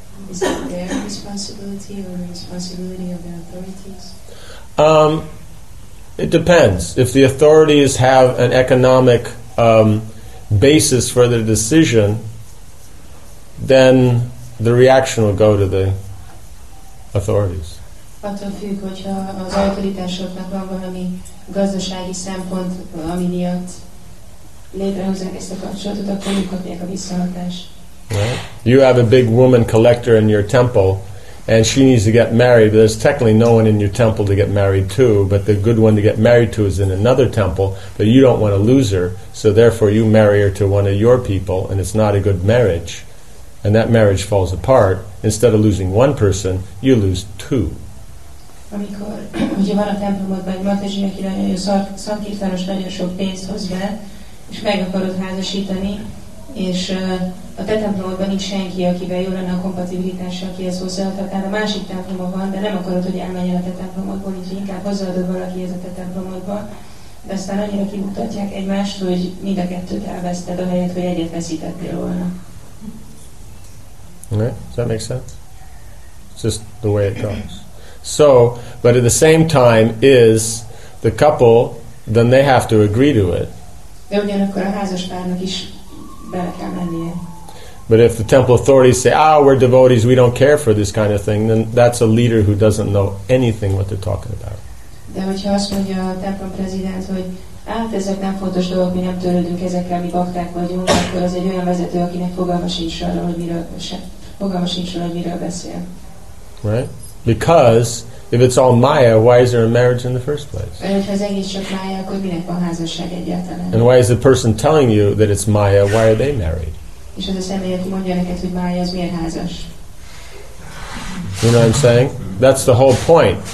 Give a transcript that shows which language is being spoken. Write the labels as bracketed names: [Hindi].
[English] Is it their responsibility or responsibility of the authorities? It depends. If the authorities have an economic basis for their decision, then the reaction will go to the authorities. [Hungarian] Attól függ, hogyha az autoritásoknak van valami gazdasági szempont, ami miatt létrehozzák ezt a kapcsolatot, akkor ők kapják a visszahatást. [English] Right. You have a big woman collector in your temple, and she needs to get married. There's technically no one in your temple to get married to, but the good one to get married to is in another temple, but you don't want to lose her, so therefore you marry her to one of your people, and it's not a good marriage, and that marriage falls apart. Instead of losing one person, you lose two. [Hungarian] Amikor, ugye van a templomodban egy Matazsi, aki nagyon szankirtanos, nagyon sok pénzt hoz be, és meg akarod házasítani, és a te templomodban nincs senki, akivel jól lenne a kompatibilitása, akihez hozzáadhatnál. A másik templomban van, de nem akarod, hogy elmenjen a te templomodból, így inkább hozzáadod valakihez a te templomodban. De aztán annyira kimutatják egymást, hogy mind a kettőt elveszted, ahelyett, hogy egyet veszítettél volna. [English] Okay. Does that make sense? It's just the way it goes. So, but at the same time is the couple, then they have to agree to it. [Hungarian] De ugyanakkor a házaspárnak is bele kell mennie. [English] But if the temple authorities say, we're devotees, we don't care for this kind of thing, then that's a leader who doesn't know anything what they're talking about. [Hungarian] De hogyha azt mondja a templom prezident, hogy ezek nem fontos dolgok, mi nem törődünk ezekkel, mi bakták vagyunk, akkor az egy olyan vezető, akinek fogalma sincs arra, hogy miről fogalma sincs, hogy miről beszél. [English] Right? Because if it's all Maya, why is there a marriage in the first place? And why is the person telling you that it's Maya, why are they married? You know what I'm saying? That's the whole point.